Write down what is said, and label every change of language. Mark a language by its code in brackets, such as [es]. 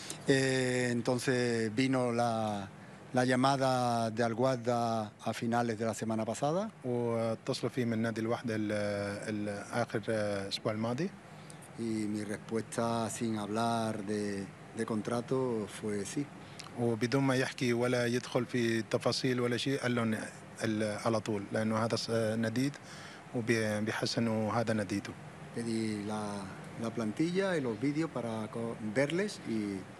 [es] Entonces vino la llamada de Al Wahda a finales de la semana pasada. Y mi respuesta sin hablar de contrato fue sí. [ar] وبدون ما يحكي ولا يدخل في تفاصيل ولا شيء قال لهم على طول لانه هذا نديد وبيحس انه هذا نديده. [es] Pedí la plantilla y los vídeos para verles y